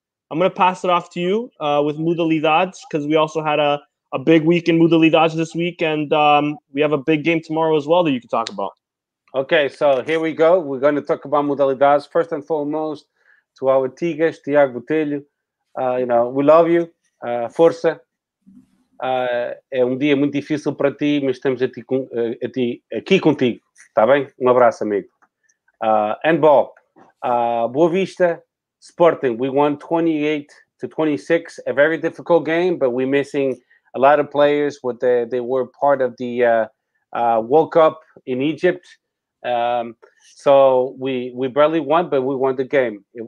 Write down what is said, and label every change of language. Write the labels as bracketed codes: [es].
[en] I'm going to pass it off to you with Mudalidades, because we also had a big week in Mudalidades this week, and we have a big game tomorrow as well that you can talk about. Okay, so here we go. We're going to talk about Mudalidades. First and foremost, to our Tigas, Tiago Botelho, you know, we love you. [pt] Força. É um dia muito difícil para ti, mas estamos aqui contigo. Está bem? Um abraço, amigo. Handball. Boa Vista. [en] Sporting, we won 28-26, a very difficult game, but we're missing a lot of players. They were part of the World Cup in Egypt. So we barely won, but we won the game.